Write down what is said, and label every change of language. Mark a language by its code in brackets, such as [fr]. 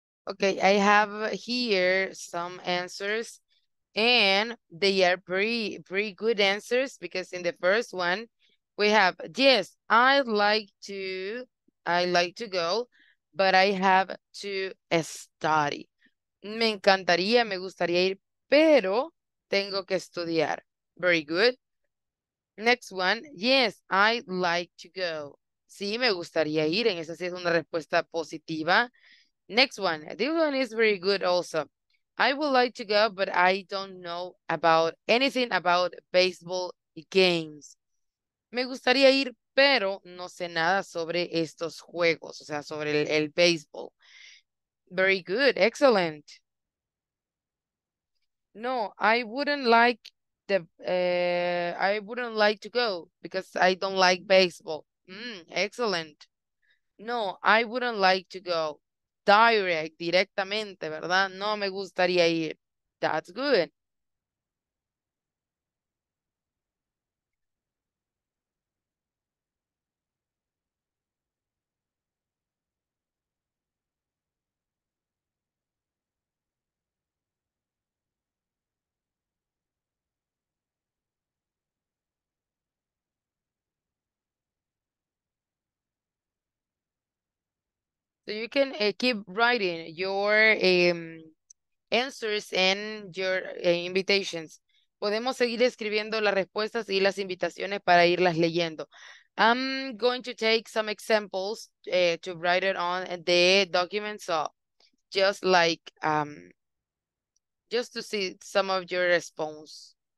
[en] Okay, I have here some answers, and they are pretty good answers, because in the first one we have, yes, I like to go, but I have to study. [es] Me encantaría, me gustaría ir, pero tengo que estudiar. [en] Very good. Next one, yes, I like to go. [es] Sí, me gustaría ir. En esa sí es una respuesta positiva. [en] Next one. This one is very good also. I would like to go, but I don't know about anything about baseball games. [es] Me gustaría ir, pero no sé nada sobre estos juegos, o sea, sobre el baseball. [en] Very good. Excellent. No, I wouldn't like to go because I don't like baseball. Excellent. No, I wouldn't like to go. [es] Direct, directamente, ¿verdad? No me gustaría ir. [en] That's good. So you can keep writing your answers and your invitations. [es] Podemos seguir escribiendo las respuestas y las invitaciones para irlas leyendo. [en] I'm going to take some examples to write it on the document. So just like, just to see some of your response.